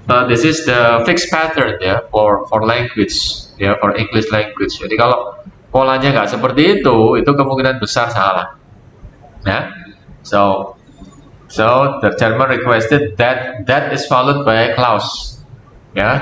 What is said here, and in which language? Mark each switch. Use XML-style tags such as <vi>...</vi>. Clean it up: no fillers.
<en>This is the fixed pattern, ya, yeah, for language, ya, yeah, for English language.</en> <id>Jadi kalau polanya nggak seperti itu kemungkinan besar salah, ya.</id> <en>Yeah? So the chairman requested that is followed by clause, ya.</en>